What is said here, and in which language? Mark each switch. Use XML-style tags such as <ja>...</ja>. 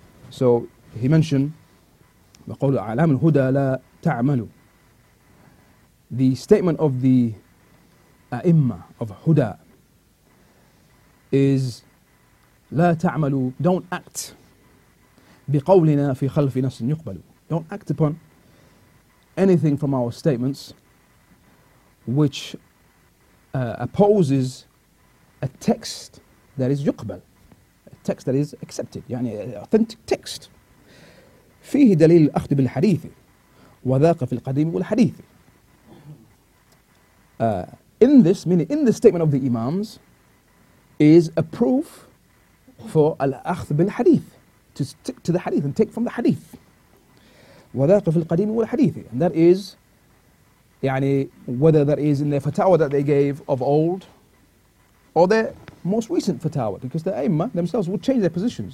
<en>So he mentioned</en> <ar>بقول أعلام الهدى لا تعملوا.</ar> <en>The statement of the a'imma of Huda is</en> <ar>لا تعملوا,</ar> <en>don't act</en> <ar>بقولنا في خلف نص يقبلوا.</ar> <en>Don't act upon anything from our statements which opposes a text that is yuqbal, a text that is accepted, authentic text.</en> <ar>فيه دليل الأخذ بالحديث وذاق في القديم والحديث.</ar> <en>In the statement of the Imams is a proof for al-akhth bil hadith, to stick to the hadith and take from the hadith.</en> <ar>وَذَاقَ فِي الْقَدِيمِ وَالْحَدِيثِ.</ar> <en>And that is, whether that is in their fatawa that they gave of old or their most recent fatawa, because the a'imma themselves would change their positions.</en>